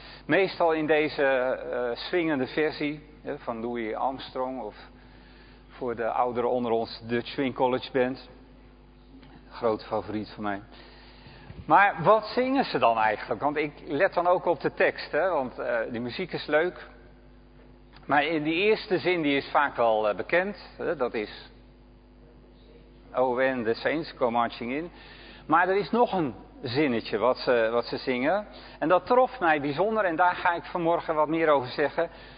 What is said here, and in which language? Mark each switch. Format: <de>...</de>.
<nl>Meestal in deze swingende versie van Louis Armstrong of voor de ouderen onder ons Dutch Swing College Band. Groot favoriet van mij. Maar wat zingen ze dan eigenlijk? Want ik let dan ook op de tekst, hè? Want die muziek is leuk. Maar in die eerste zin, die is vaak wel bekend. Hè? Dat is,</nl> <en>Oh, when the saints go marching in.</en> <nl>Maar er is nog een zinnetje wat ze zingen. En dat trof mij bijzonder en daar ga ik vanmorgen wat meer over zeggen.</nl>